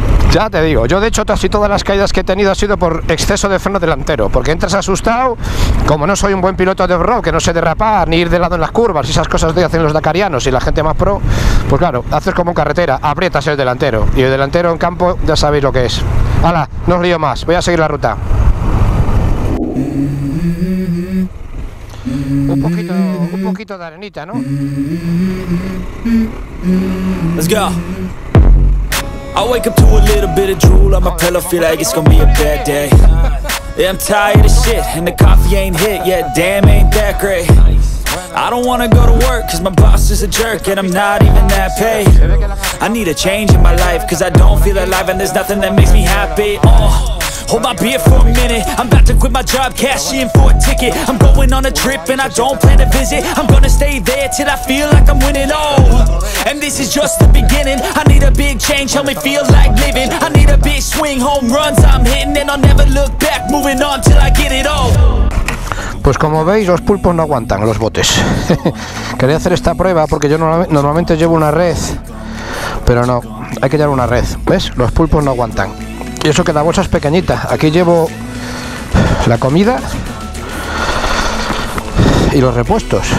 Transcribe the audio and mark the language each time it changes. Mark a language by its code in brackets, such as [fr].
[es] Ya te digo, yo de hecho casi todas las caídas que he tenido ha sido por exceso de freno delantero, porque entras asustado, como no soy un buen piloto de off-road, que no sé derrapar ni ir de lado en las curvas, esas cosas que hacen los dakarianos y la gente más pro, pues claro, haces como en carretera, aprietas el delantero, y el delantero en campo ya sabéis lo que es. ¡Hala! No os lío más, voy a seguir la ruta. Un poquito de arenita, ¿no? [en] Let's go. I wake up to a little bit of drool on my pillow, feel like it's gonna be a bad day. Yeah, I'm tired of shit, and the coffee ain't hit yet, damn, ain't that great. I don't wanna go to work, cause my boss is a jerk, and I'm not even that paid. I need a change in my life, cause I don't feel alive, and there's nothing that makes me happy. Hold my beer for a minute, I'm about to quit my job, cash in for a ticket. I'm going on a trip and I don't plan to visit. I'm gonna stay there till I feel like I'm winning all. And this is just the beginning, I need a big change, help me feel like living. I need a big swing, home runs I'm hitting. And I'll never look back, moving on till I get it all. [es] Pues como veis, los pulpos no aguantan los botes. Quería hacer esta prueba porque yo normalmente llevo una red. Pero no, hay que llevar una red, ¿ves? Los pulpos no aguantan. Y eso que la bolsa es pequeñita. Aquí llevo la comida y los repuestos.